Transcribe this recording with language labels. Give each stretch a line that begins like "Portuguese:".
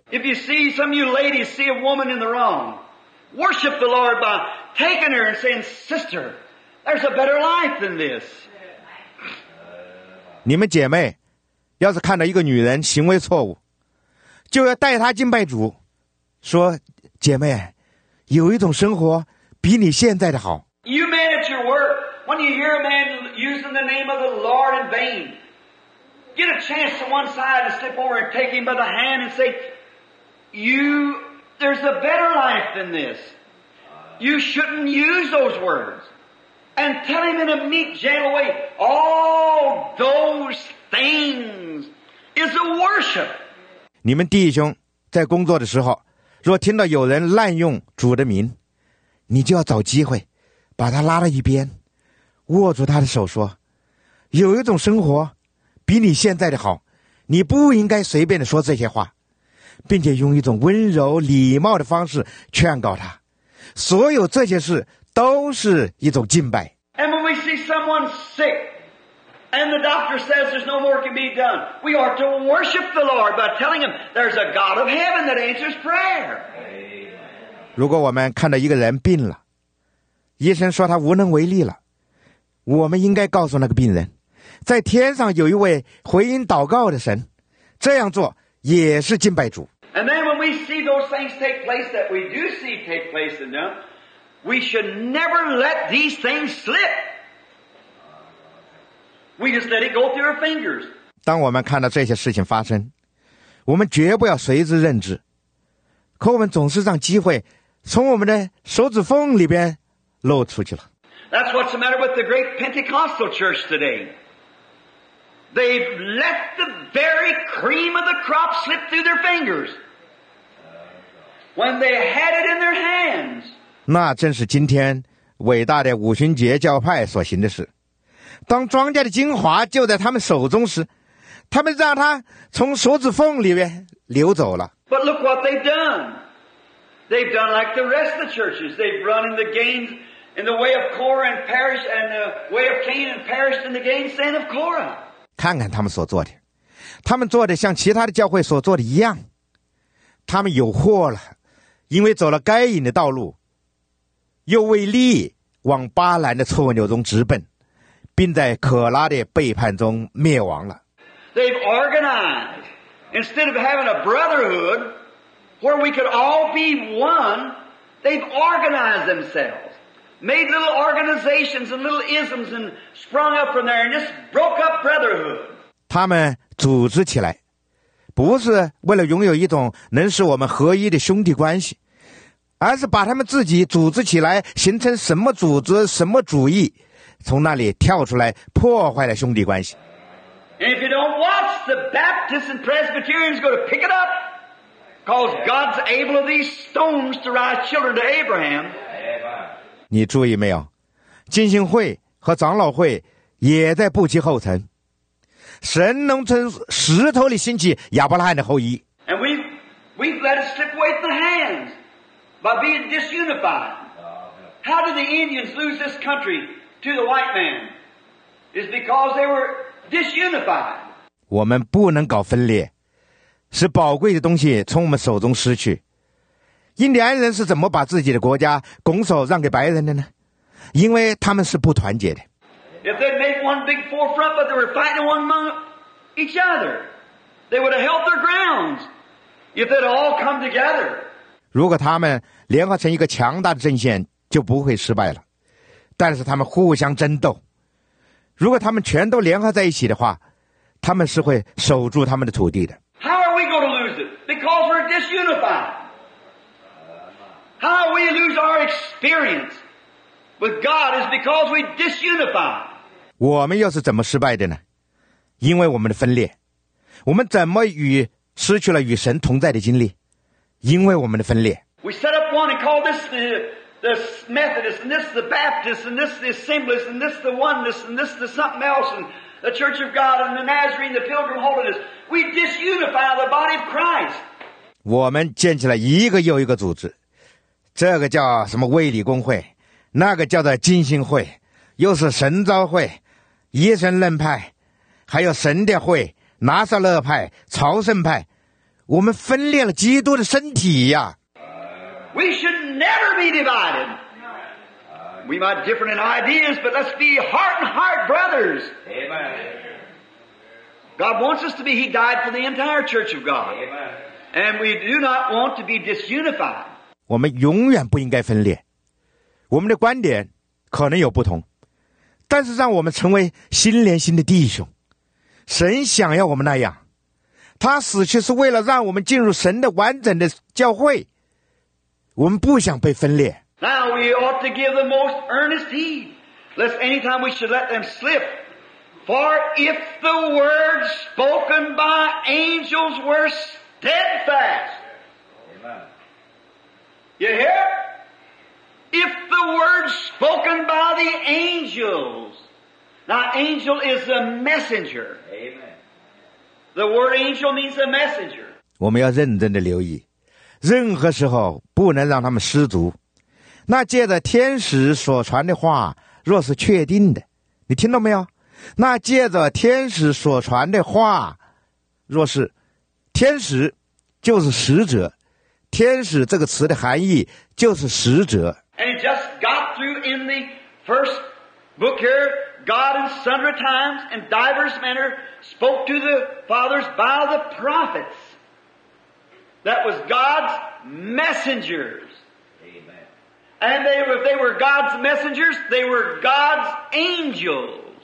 English: If you see some of you ladies see a woman in the wrong, worship the Lord by taking her and saying, "Sister, there's a better life than this."
Chinese: 你们姐妹要是看到一个女人行为错误，就要带她敬拜主，说，姐妹，有一种生活比你现在的好。
English: You men at your work, when you hear a man using the name of the Lord in vain,Get a chance to one side to step over and take him by the hand and say, you, there's a better life than this. You shouldn't use those words. And tell him in a meek, gentle way, all those things is a worship.
Chinese: 你们弟兄在工作的时候，若听到有人滥用主的名，你就要找机会把他拉到一边，握住他的手说，有一种生活比你现在的好，你不应该随便的说这些话，并且用一种温柔礼貌的方式劝告他。所有这些事都是一种敬拜。
English: And when we see someone sick, and the doctor says there's no more can be done, we are to worship the Lord by telling him there's a God of heaven that answers prayer.
Chinese: 如果我们看到一个人病了，医生说他无能为力了，我们应该告诉那个病人，在天上有一位回应祷告的神，这样做也是敬拜主。
English: And then when we see those things take place that we do see take place in them, we should never let these things slip. We just let it go through our fingers.
Chinese: 当我们看到这些事情发生，我们绝不要随之认知，可我们总是让机会从我们的手指缝里边漏出去了。
English: That's what's the matter with the great Pentecostal church today. They've let the very cream of the crop slip through their fingers when they had it in their hands.
Chinese: 那正是今天伟大的五旬节教派所行的事。当庄稼的精华就在他们手中时，他们让它从手指缝里面流走了。
English: But look what they've done. They've done like the rest of the churches. They've run in the gains in the way of Korah and perished, and the way of Cain and perished in the gainsaying of Korah.
Chinese: 看看他们所做的，他们做的像其他的教会所做的一样，他们有祸了，因为走了该隐的道路，又为利往巴兰的错流中直奔，并在可拉的背叛中灭亡了。
English: They've organized instead of having a brotherhood where we could all be one. They've organized themselves, made little organizations and little isms and. Sprung up from there and just broke up brotherhood.
Chinese: 他们组织起来，不是为了拥有一种能使我们合一的兄弟关系，而是把他们自己组织起来，形成什么组织、什么主义，从那里跳出来，破坏了兄弟关系。
English: And if you don't watch, the Baptists and Presbyterians go to pick it up, cause God's able of these stones to rise children to Abraham.
Chinese: 你注意没有？浸信会。和长老会也在步其后尘，神能从石头里兴起亚伯拉罕的后裔。
English: And we've let it slip away from the hands by being disunified. How did the Indians lose this country to the white man? It's because they were disunified.
Chinese: 我们不能搞分裂，使宝贵的东西从我们手中失去。印第安人是怎么把自己的国家拱手让给白人的呢？因为他们是不团结的。
English: If they'd made one big forefront, but they were fighting among each other. They would have held their grounds if they'd all come together.
Chinese: 如果他们联合成一个强大的阵线，就不会失败了。但是他们互相争斗，如果他们全都联合在一起的话，他们是会守住他们的土地的。
English: How are we going to lose it? Because we're disunified. How we lose our experience with God is because we disunified.
Chinese: 我们又是怎么失败的呢？因为我们的分裂。我们怎么与失去了与神同在的经历？因为我们的分裂。
English: We set up one and call this the Methodist, and this the Baptist, and this the Assemblies, and this the Oneness, and this the something else, and the Church of God, and the Nazarene, the Pilgrim Holiness. We disunify the body of Christ.
Chinese: 我们建起了一个又一个组织，这个叫什么卫理公会，那个叫做金星会，又是神召会、耶神论派，还有神的会、拿撒勒派、朝圣派。我们分裂了基督的身体呀。
English: We should never be divided. We might differ in ideas, but let's be heart and heart brothers. Amen. God wants us to be. He died for the entire church of God. Amen. And we do not want to be disunified.
Chinese: 我们永远不应该分裂。我们的观点可能有不同，但是让我们成为心连心的弟兄。神想要我们那样，他死去是为了让我们进入神的完整的教会。我们不想被分裂。
English: Now we ought to give the most earnest heed, lest any time we should let them slip. For if the words spoken by angels were steadfast, Amen. You hear? If the words spoken by the angels, now angel is the messenger. Amen. The word angel means the messenger.
Chinese: 我们要认真地留意。任何时候不能让他们失足，那借着天使所传的话若是确定的，你听到没有？那借着天使所传的话，若是天使就是使者，天使这个词的含义就是使者。
English: And it just got through in the first book here, God in sundry times and diverse manner spoke to the fathers by the prophets. That was God's messengers. Amen. And if they were God's messengers, they were God's angels.